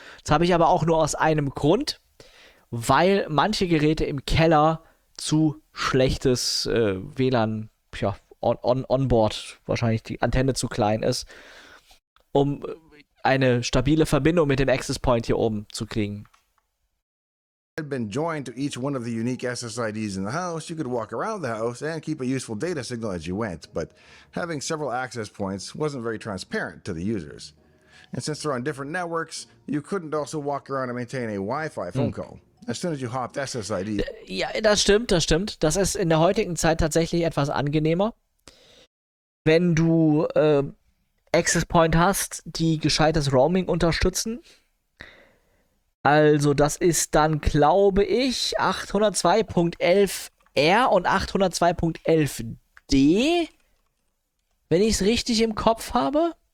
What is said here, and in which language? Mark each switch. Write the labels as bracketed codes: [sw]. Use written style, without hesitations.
[de] Das habe ich aber auch nur aus einem Grund, weil manche Geräte im Keller zu schlechtes WLAN, ja, Onboard, wahrscheinlich die Antenne zu klein ist, um eine stabile Verbindung mit dem Access Point hier oben zu kriegen. [en] Had been joined to each one of the unique SSIDs in the house, you could walk around the house and keep a useful data signal as you went, but having several access points wasn't very transparent to the users. And since they're on different networks, you couldn't also walk around and maintain a Wi-Fi phone call. As soon as you hopped SSID. [de] Ja, das stimmt, das stimmt. Das ist in der heutigen Zeit tatsächlich etwas angenehmer. Wenn du Access Point hast, die gescheites Roaming unterstützen. Also das ist dann, glaube ich, 802.11r und 802.11d, wenn ich es richtig im Kopf habe.